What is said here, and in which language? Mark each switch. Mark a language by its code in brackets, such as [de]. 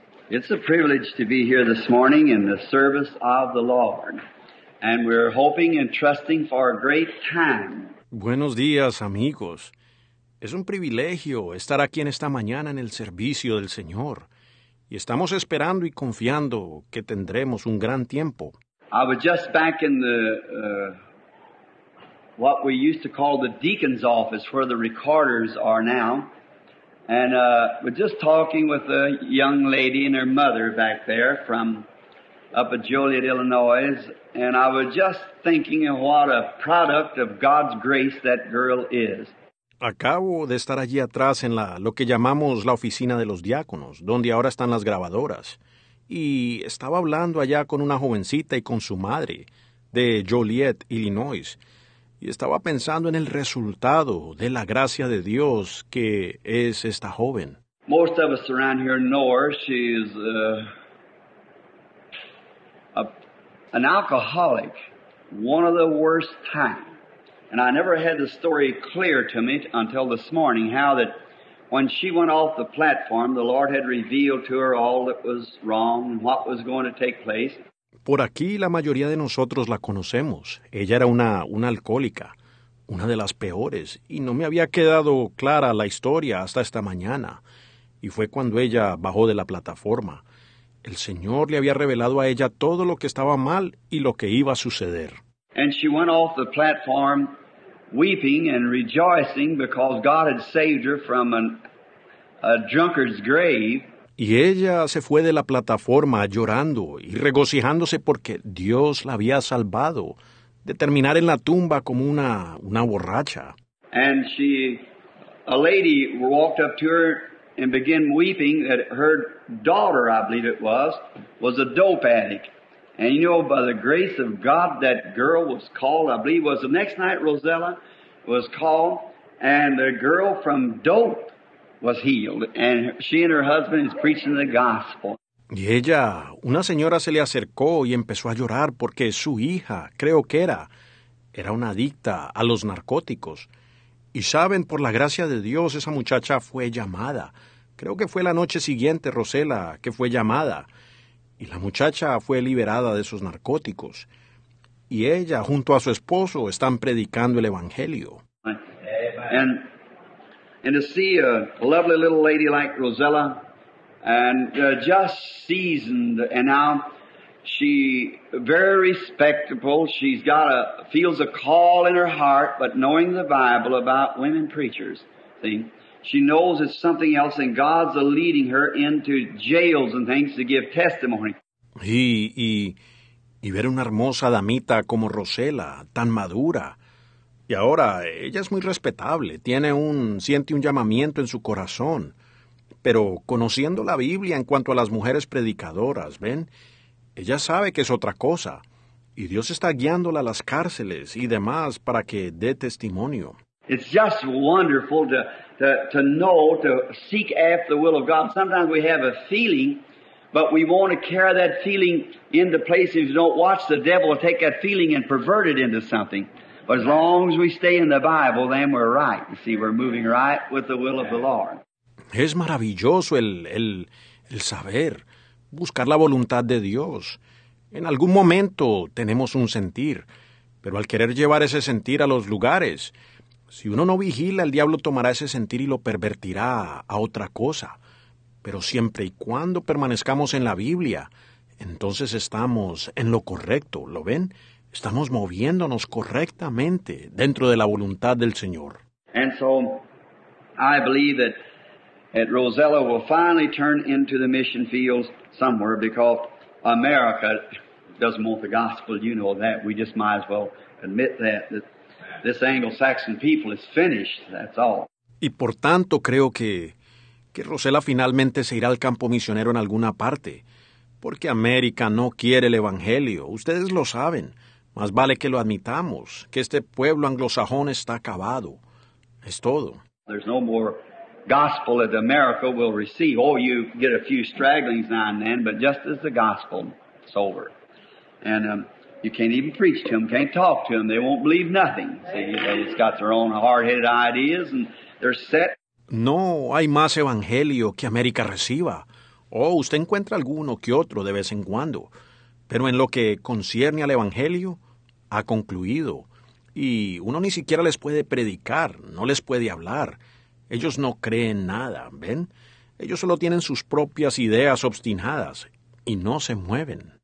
[en] It's a privilege to be here this morning in the service of the Lord, and we're hoping and trusting for a great time. [es] Buenos días, amigos. Es un privilegio estar aquí en esta mañana en el servicio del Señor. Y estamos esperando y confiando que tendremos un gran tiempo. [en] I was just back in the, what we used to call the deacon's office, where the recorders are now. And we're just talking with a young lady and her mother back there from up at Joliet, Illinois. And I was just thinking of what a product of God's grace that girl is. [es] Acabo de estar allí atrás en la, lo que llamamos la oficina de los diáconos, donde ahora están las grabadoras. Y estaba hablando allá con una jovencita y con su madre de Joliet, Illinois. Y estaba pensando en el resultado de la gracia de Dios que es esta joven. [en] Most of us around here know her. She's an alcoholic, one of the worst types. And I never had the story clear to me until this morning, how that when she went off the platform, the Lord had revealed to her all that was wrong and what was going to take place. [es] Por aquí la mayoría de nosotros la conocemos. Ella era una alcohólica, una de las peores, y no me había quedado clara la historia hasta esta mañana. Y fue cuando ella bajó de la plataforma. El Señor le había revelado a ella todo lo que estaba mal y lo que iba a suceder. [en] And she went off the platform weeping and rejoicing because God had saved her from a drunkard's grave. [es] Y ella se fue de la plataforma llorando y regocijándose porque Dios la había salvado de terminar en la tumba como una borracha. [en] And she, a lady walked up to her and began weeping that her daughter, I believe it was a dope addict. And you know, by the grace of God, that girl was called, I believe it was the next night, Rosella was called, and the girl from dope was healed, and she and her husband is preaching the gospel. [es] Y ella, una señora se le acercó y empezó a llorar porque su hija, creo que era una adicta a los narcóticos. Y saben, por la gracia de Dios, esa muchacha fue llamada. Creo que fue la noche siguiente, Rosella, que fue llamada. Y la muchacha fue liberada de esos narcóticos. Y ella, junto a su esposo, están predicando el Evangelio. [en] And to see a lovely little lady like Rosella, and just seasoned, and now she very respectable, she's got a, feels a call in her heart, but knowing the Bible about women preachers, see, she knows it's something else, and God's leading her into jails and things to give testimony. [es] Y ver una hermosa damita como Rosella, tan madura. Y ahora, ella es muy respetable, siente un llamamiento en su corazón. Pero conociendo la Biblia en cuanto a las mujeres predicadoras, ¿ven? Ella sabe que es otra cosa. Y Dios está guiándola a las cárceles y demás para que dé testimonio. [en] It's just wonderful to know, to seek after the will of God. Sometimes we have a feeling, but we want to carry that feeling into place. If you don't watch, the devil will take that feeling and pervert it into something. But as long as we stay in the Bible, then we're right. You see, we're moving right with the will of the Lord. [es] Es maravilloso el saber, buscar la voluntad de Dios. En algún momento tenemos un sentir, pero al querer llevar ese sentir a los lugares, si uno no vigila, el diablo tomará ese sentir y lo pervertirá a otra cosa. Pero siempre y cuando permanezcamos en la Biblia, entonces estamos en lo correcto, ¿lo ven? Estamos moviéndonos correctamente dentro de la voluntad del Señor. [en] And so, I believe that Rosella will finally turn into the mission fields somewhere because America doesn't want the gospel, you know that. We just might as well admit that, that this Anglo-Saxon people is finished, that's all. [es] Y por tanto creo que Rosella finalmente se irá al campo misionero en alguna parte, porque América no quiere el Evangelio, ustedes lo saben. Más vale que lo admitamos, que este pueblo anglosajón está acabado. Es todo. [en] There's no more gospel that America will receive. Oh, you get a few stragglings now and then, but just as the gospel is over. And you can't even preach to them, can't talk to them. They won't believe nothing. See, they've got their own hard-headed ideas and they're set. [es] No hay más evangelio que América reciba. Oh, usted encuentra alguno que otro de vez en cuando. Pero en lo que concierne al evangelio, ha concluido. Y uno ni siquiera les puede predicar, no les puede hablar. Ellos no creen nada, ¿ven? Ellos solo tienen sus propias ideas obstinadas y no se mueven.